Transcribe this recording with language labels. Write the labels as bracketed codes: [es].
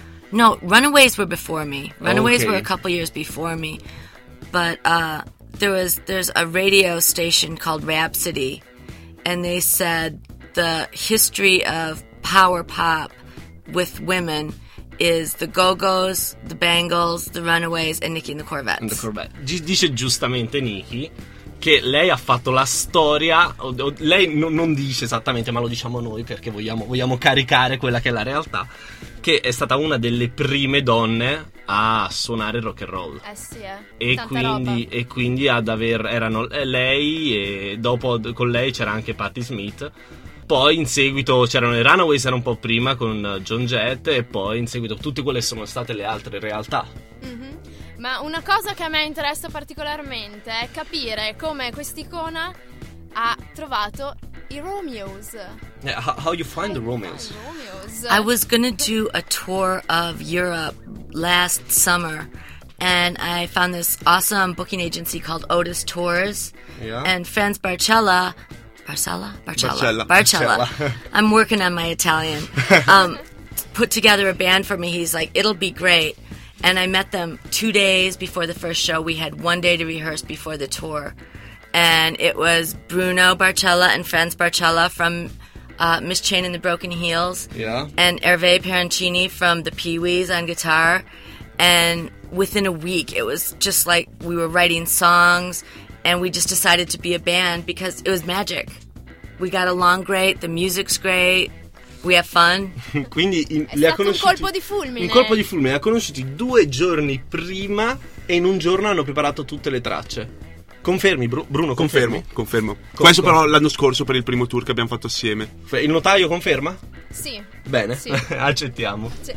[en] No, Runaways were before me. Runaways were a couple years before me. But there's a radio station called Rhapsody, and they said the history of power pop with women is the Go-Go's, the Bangles, the Runaways and Nicky and the Corvettes. And the Corvette. [it] Dice giustamente Nicky che lei ha fatto la storia, lei non dice esattamente, ma lo diciamo noi perché vogliamo caricare quella che è la realtà, che è stata una delle prime donne a suonare rock and roll. Eh sì, E quindi, e quindi ad aver, erano lei e dopo con lei c'era anche Patti Smith. Poi in seguito c'erano i Runaways, era un po' prima con Joan Jett, e poi in seguito tutte quelle sono state le altre realtà. Ma una cosa che a me interessa particolarmente è capire come quest'icona ha trovato i Romeos. [en] How you find the Romeos? I was gonna do a tour of Europe last summer, and I found this awesome booking agency called Otis Tours. Yeah. And Franz Barcella. Barcella. I'm working on my Italian. put together a band for me. He's like, it'll be great. And I met them 2 days before the first show. We had 1 day to rehearse before the tour. And it was Bruno Barcella and Franz Barcella from Miss Chain and the Broken Heels. Yeah. And Hervé Parencini from the Pee Wees on guitar. And within a week, it was just like we were writing songs. And we just decided to be a band because it was magic. We got along great, the music's great, we have fun. [it] Quindi è stato un colpo di fulmine. Un colpo di fulmine. Li ha conosciuti 2 giorni prima e in un giorno hanno preparato tutte le tracce. Confermi, Bruno? Confermo, confermi. Confermo. Questo però l'anno scorso per il primo tour che abbiamo fatto assieme. Il notaio conferma? Sì. Bene, sì. Accettiamo.